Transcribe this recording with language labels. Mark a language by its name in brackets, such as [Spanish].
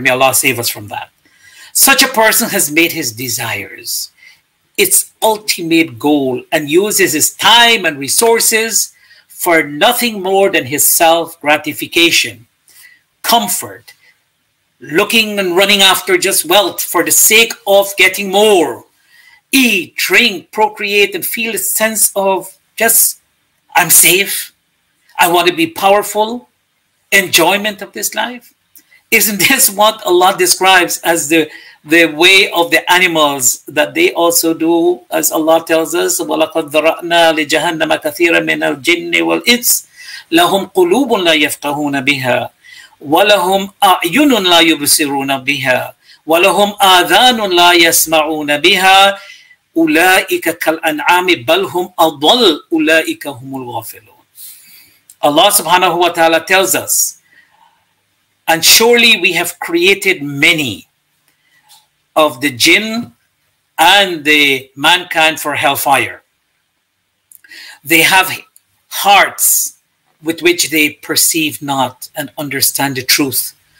[English] May Allah save us from that. Such a person has made his desires its ultimate goal and uses his time and resources for nothing more than his self-gratification, comfort, looking and running after just wealth for the sake of getting more. Eat, drink, procreate, and feel a sense of just, I'm safe. I want to be powerful. Enjoyment of this life. Isn't this what Allah describes as the way of the animals that they also do, as Allah tells us, [Arabic] وَلَقَدْ ذَرَأْنَا لِجَهَنَّمَ كَثِيرًا مِنَ الْجِنِّ وَالْإِنسِ لَهُمْ قُلُوبٌ لَا يَفْقَهُونَ بِهَا وَلَهُمْ أَعْيُنٌ لَا يُبْصِرُونَ بِهَا وَلَهُمْ آذَانٌ لَا يَسْمَعُونَ بِهَا أُولَٰئِكَ كَالْأَنْعَامِ بَلْ هُمْ أَضَلُّ أُولَٰئِكَ هُمُ الْغَافِلُونَ. [English] Allah subhanahu wa ta'ala tells us, and surely we have created many of the jinn and the mankind for hellfire. They have hearts with which they perceive not and understand the truth.